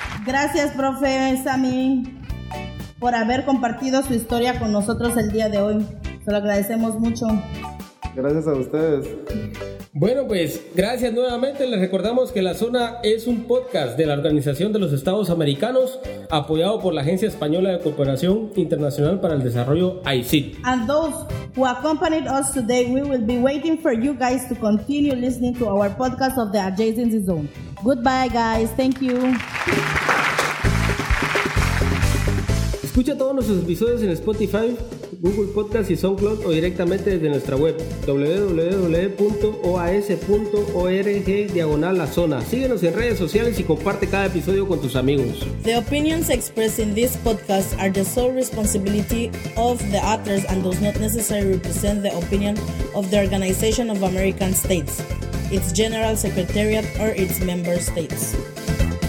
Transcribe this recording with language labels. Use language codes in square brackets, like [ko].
[es] Gracias, profe Sammy, por haber compartido su historia con nosotros el día de hoy. Se lo agradecemos mucho. Gracias a ustedes. Bueno, pues, gracias nuevamente. Les recordamos que La Zona es un podcast de la Organización de los Estados Americanos, apoyado por la Agencia Española de Cooperación Internacional para el Desarrollo, AICID. [en] And those who accompanied us today, we will be waiting for you guys to continue listening to our podcast of the Adjacent Zone. Goodbye, guys. Thank you. [es] Escucha todos nuestros episodios en Spotify, Google Podcast y SoundCloud o directamente desde nuestra web www.oas.org/lazona. Síguenos en redes sociales y comparte cada episodio con tus amigos. [en] The opinions expressed in this podcast are the sole responsibility of the authors and does not necessarily represent the opinion of the Organization of American States, its General Secretariat or its member states.